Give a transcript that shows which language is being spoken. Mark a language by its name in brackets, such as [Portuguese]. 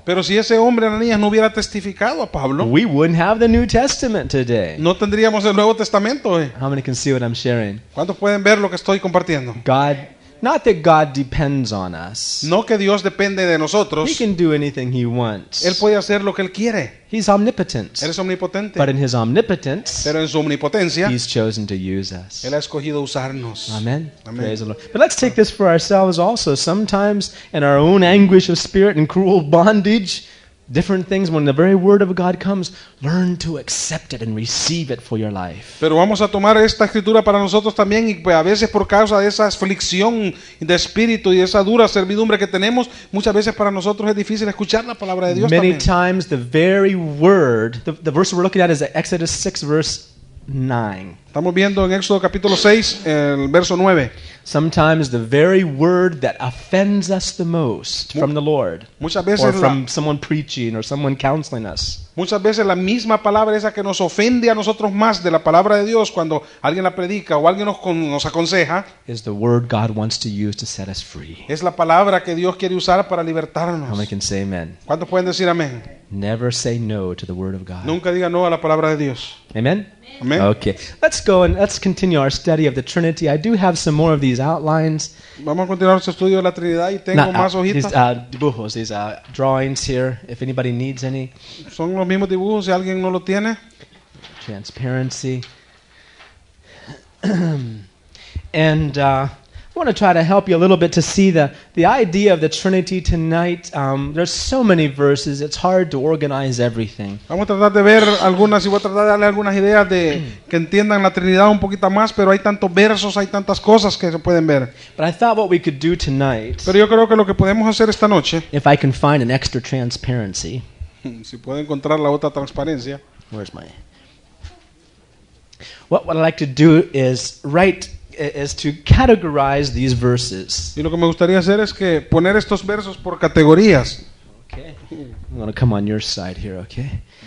[Spanish] pero si ese hombre Ananías no hubiera testificado a Pablo, [English] we wouldn't have the New Testament today. [Spanish] No tendríamos el Nuevo Testamento hoy. [English] How many can see what I'm sharing? [Spanish] ¿Cuántos pueden ver lo que estoy compartiendo? [English] God. Not that God depends on us. [Spanish] No que Dios depende de nosotros. [English] He can do anything he wants. [Spanish] Él puede hacer lo que él quiere. [English] He's omnipotent. [Spanish] Él es omnipotente. [English] But in his omnipotence, [Spanish] pero en su omnipotencia, [English] he's chosen to use us. [Spanish] Él ha escogido usarnos. [English] Amen. Amen. Praise the Lord. But let's take this for ourselves also. Sometimes in our own anguish of spirit and cruel bondage, different things, when the very word of God comes, learn to accept it and receive it for your life. [Spanish] Pero vamos a tomar esta escritura para nosotros también, y a veces por causa de esa aflicción de espíritu y de esa dura servidumbre que tenemos, muchas veces para nosotros es difícil escuchar la palabra de Dios [English] Many [Spanish] también. [English] Many times the very word, the verse we're looking at is Exodus 6 verse 9. [Spanish] Estamos viendo en Éxodo capítulo 6, el verso 9. [English] Sometimes the very word that offends us the most from the Lord, [Spanish] muchas veces [English] or from someone preaching or someone counseling us. [Spanish] Muchas veces la misma palabra esa que nos ofende a nosotros más de la palabra de Dios cuando alguien la predica o alguien nos aconseja, [English] is the word God wants to use to set us free. [Spanish] Es la palabra que Dios quiere usar para libertarnos. [English] How many can say amen? [Spanish] ¿Cuántos pueden decir amén? [English] Never say no to the word of God. [Spanish] Nunca diga no a la palabra de Dios. Amen. Amen. [English] Okay. Let's go and let's continue our study of the Trinity. I do have some more of these outlines. [Spanish] Vamos a continuar nuestro estudio de la Trinidad y tengo más hojitas. [English] These drawings here, if anybody needs any. [Spanish] Son los mismos dibujos si alguien no lo tiene. [English] Transparency. And I want to try to help you a little bit to see the idea of the Trinity tonight. There's so many verses, it's hard to organize everything. [Spanish] Vamos a tratar de ver algunas y voy a tratar de darle algunas ideas de que entiendan la Trinidad un poquito más, pero hay tantos versos, hay tantas cosas que se pueden ver. [English] But I thought what we could do tonight. [Spanish] Pero yo creo que lo que podemos hacer esta noche. [English] If I can find an extra transparency. [Spanish] Si puedo encontrar la otra transparencia. [English] Where's my... What I'd like to do is write is to categorize these verses. [Spanish] Y lo que me gustaría hacer es que poner estos versos por categorías. [English] Okay. I'm going to come on your side here, okay?